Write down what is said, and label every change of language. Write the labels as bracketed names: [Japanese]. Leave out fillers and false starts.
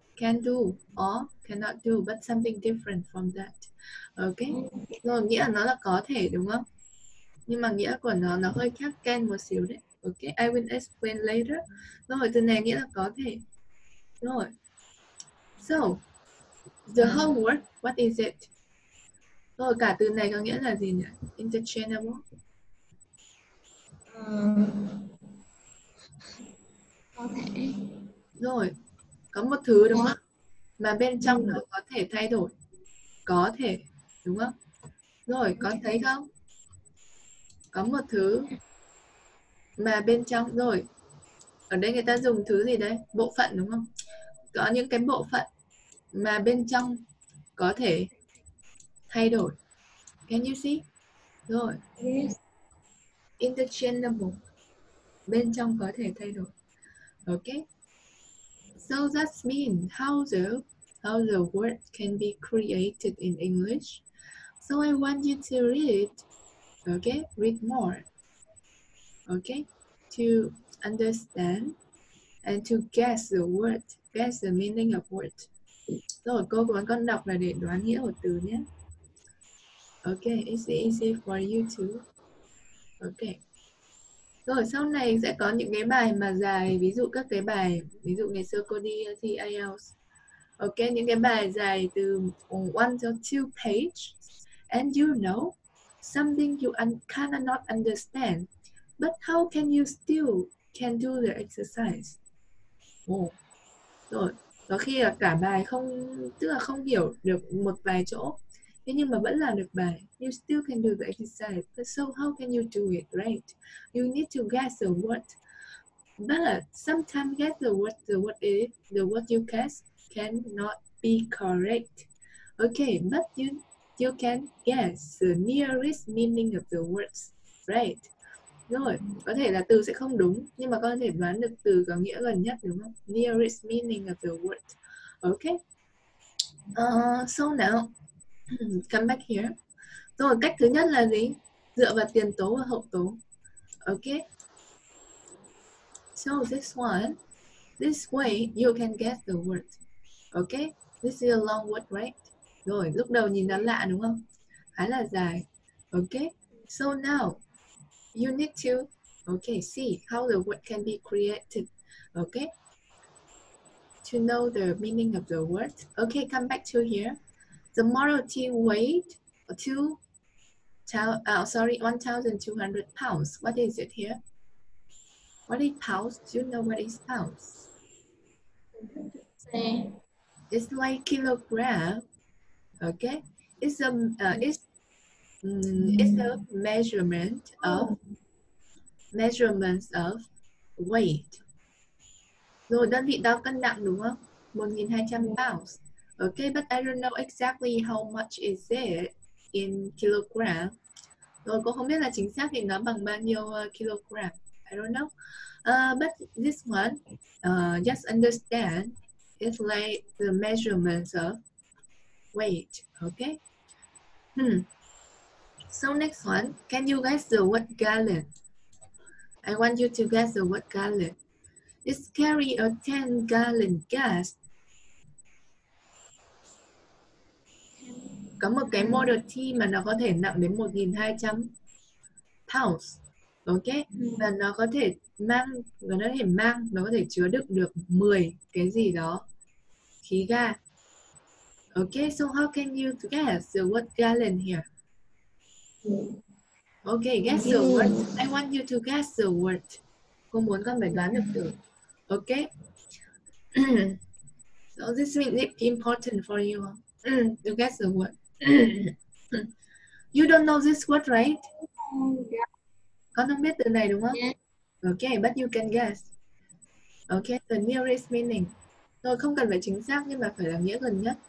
[English] Can do or cannot do, but something different from that. Okay. [Vietnamese] No, nghĩa nó là có thể đúng không? Nhưng mà nghĩa của nó hơi khác can một xíu đấy. [English] Okay, I will explain later. [Vietnamese] Rồi, từ này nghĩa là có thể. Rồi. [English] So, the whole word, what is it? [Vietnamese] Rồi, cả từ này có nghĩa là gì nhỉ? [English] Interchangeable. [Vietnamese] Có thể. Rồi, có một thứ đúng không? Mà bên trong nó có thể thay đổi. Có thể, đúng không? Rồi, có thấy không? Có một thứ mà bên trong, rồi ở đây người ta dùng thứ gì đây? Bộ phận đúng không? Có những cái bộ phận mà bên trong có thể thay đổi. [English] Can you see? [Vietnamese] Rồi. Interchangeable. Bên trong có thể thay đổi. [English] Okay. So that means how the word can be created in English. So I want you to read. Okay. Read more. Okay. To understand and to guess the word, guess the meaning of word. [Vietnamese] Rồi, cô muốn con đọc là để đoán nghĩa của từ nhé. Okay, [English] it's easy for you to. [Vietnamese] Okay. Rồi sau này sẽ có những cái bài mà dài, ví dụ các cái bài, ví dụ ngày xưa cô đi thi IELTS. Ok, những cái bài dài từ 1 [English] to 2 pages. And you know, something you kind of not understand. But how can you still can do the exercise? Oh. [Vietnamese] Rồi, có khi là cả bài không, tức là không hiểu được một vài chỗ. Thế nhưng mà vẫn làm được bài. [English] You still can do the exercise. But so how can you do it, right? You need to guess the word. But sometimes guess the word is, the word you guess cannot be correct. Okay, but you can guess the nearest meaning of the words, right? [Vietnamese] Rồi, có thể là từ sẽ không đúng, nhưng mà con có thể đoán được từ có nghĩa gần nhất, đúng không? [English] Nearest meaning of the word. Okay. So now, come back here. [Vietnamese] Rồi, cách thứ nhất là gì? Dựa vào tiền tố và hậu tố. Okay. [English] So this one, this way you can get the word. Okay, this is a long word, right? Rồi, lúc đầu nhìn nó lạ đúng không? Khá là dài. Okay, so now you need to, okay, see how the word can be created. Okay, to know the meaning of the word. Okay, come back to here. The model team weighed 1,200 pounds. What is it here? What is pounds? Do you know what is pounds? Same. It's like kilogram, okay? It's a it's a measurement of weight. [Vietnamese] Rồi đơn vị đo cân nặng đúng không? [English] 1,200 pounds. Okay, but I don't know exactly how much is it in kilogram. [Vietnamese] Rồi cô không biết là chính xác thì nó bằng bao nhiêu kilogram. [English] I don't know. But this one, just understand. It's like the measurements of weight, okay? So next one, can you guess the word gallon? I want you to guess the word gallon. It's carry a 10-gallon gas. [Vietnamese] Có một cái model T mà nó có thể nặng đến 1,200 pounds, okay? Và nó có thể mang, nó có thể chứa đựng được 10 cái gì đó. Khí ga. [English] Okay, so how can you guess the word gallon here? Okay, guess the word. I want you to guess the word. [Vietnamese] Cô muốn con phải đoán được từ. [English] Okay. So this means it's important for you to guess the word. You don't know this word, right? Yeah. [Vietnamese] Con không biết từ này đúng không? [English] Yeah. Okay, but you can guess. Okay, the nearest meaning. [Vietnamese] Rồi, không cần phải chính xác nhưng mà phải là nghĩa gần nhất.